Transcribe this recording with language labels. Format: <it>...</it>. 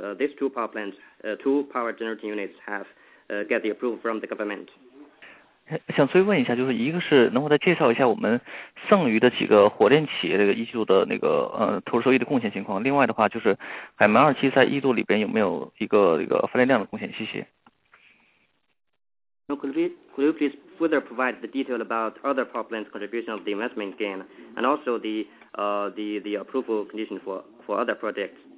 <en>These two power plants, two power generating units have get the approval from the government.</en> <zh>想追问一下，就是一个是能否再介绍一下我们剩余的几个火电企业这个一季度的那个投资收益的贡献情况，另外的话就是海门二期在一季度里边有没有一个发电量的贡献，谢谢。</zh> <en>Could you please further provide the detail about other problems contribution of the investment gain and also the approval condition for other projects?</en>